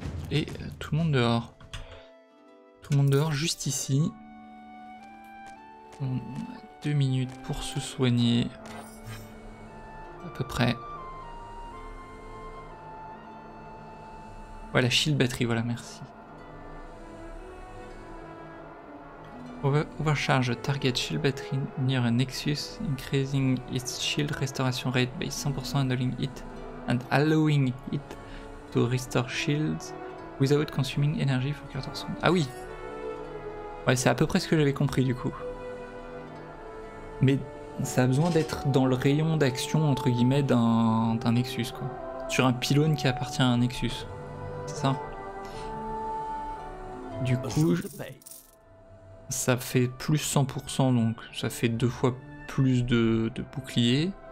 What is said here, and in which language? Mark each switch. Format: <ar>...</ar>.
<fr>Et tout le monde dehors. Tout le monde dehors, juste ici. On a 2 minutes pour se soigner. À peu près. Voilà, shield batterie, voilà, merci.</fr> <en>Overcharge target shield battery near a nexus, increasing its shield restoration rate by 100% annulling it and allowing it to restore shields without consuming energy for 14 secondes.</en> <fr>Ah oui! Ouais, c'est à peu près ce que j'avais compris du coup. Mais. Ça a besoin d'être dans le rayon d'action, entre guillemets, d'un Nexus, quoi. Sur un pylône qui appartient à un Nexus. C'est ça. Du coup, ça fait plus 100%, donc ça fait deux fois plus de boucliers.</fr>